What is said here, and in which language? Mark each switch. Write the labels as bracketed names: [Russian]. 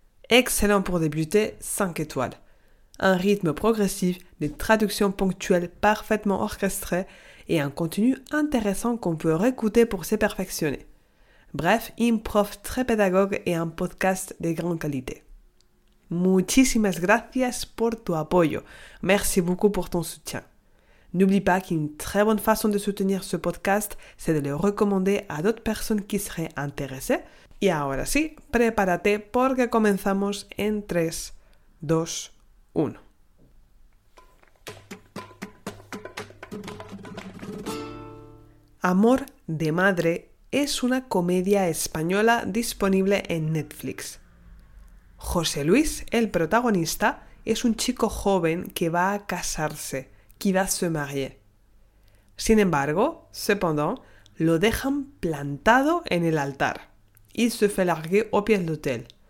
[French] Excellent pour débuter, 5 étoiles. Un rythme progressif, des traductions ponctuelles parfaitement orchestrées et un contenu intéressant qu'on peut réécouter pour se perfectionner. Bref, une prof très pédagogue et un podcast de grande qualité. [Spanish] Muchísimas gracias por tu apoyo. [French] Merci beaucoup pour ton soutien. N'oublie pas qu'une très bonne façon de soutenir ce podcast, c'est de le recommander à d'autres personnes qui seraient intéressées. [Spanish] Y ahora sí, prepárate porque comenzamos en 3, 2, 1. Amor de Madre es una comedia española disponible en Netflix. José Luis, el protagonista, es un chico joven que va a casarse. [French] Qui va se marier. [Spanish] Sin embargo, [French] cependant, [Spanish] lo dejan plantado en el altar. [French] Il se fait larguer au pied de l'hôtel.